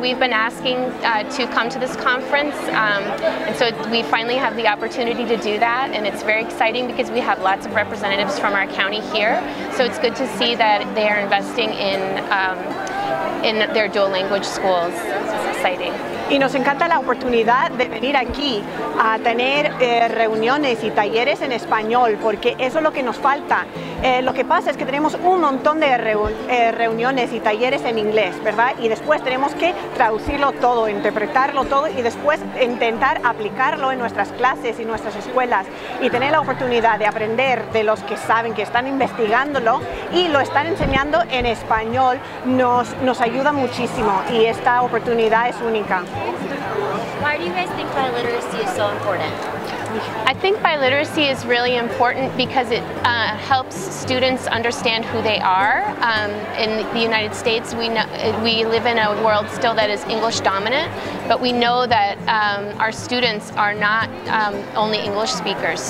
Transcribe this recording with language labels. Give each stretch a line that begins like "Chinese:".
English: We've been asking to come to this conference, and so we finally have the opportunity to do that, and it's very exciting because we have lots of representatives from our county here, so it's good to see that they are investing in their dual language schools. It's exciting.
Spanish: Y nos encanta la oportunidad de venir aquí a tener reuniones y talleres en español, porque eso es lo que nos falta. Lo que pasa es que tenemos un montón de reuniones y talleres en inglés, ¿verdad? Y después tenemos que traducirlo todo, interpretarlo todo y después intentar aplicarlo en nuestras clases y nuestras escuelas. Y tener la oportunidad de aprender de los que saben, que están investigándolo y lo están enseñando en español, nos ayuda muchísimo y esta oportunidad es única.
English: Why do you guys think biliteracy is so important? I think biliteracy is really important because it helps students understand who they are. In the United States, we live in a world still that is English dominant, but we know that our students are not only English speakers.